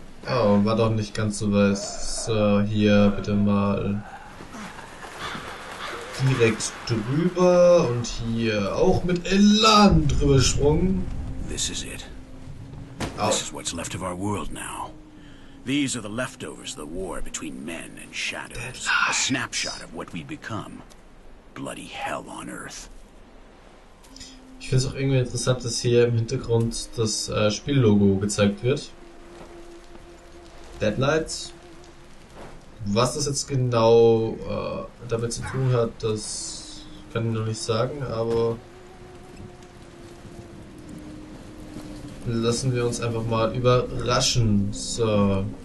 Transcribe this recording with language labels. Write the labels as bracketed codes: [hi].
[de] Oh, war doch nicht ganz so weiß. So, hier bitte mal direkt drüber und hier auch mit Elan drüber sprungen. [en] This is it. This is what's left of our world now. These are the leftovers of the war between men and shadows. A snapshot of what we become. Bloody hell on earth. [de] Ich finde es auch irgendwie interessant, dass hier im Hintergrund das Spiellogo gezeigt wird. Deadlights. Was das jetzt genau damit zu tun hat, das kann ich noch nicht sagen, aber lassen wir uns einfach mal überraschen. So.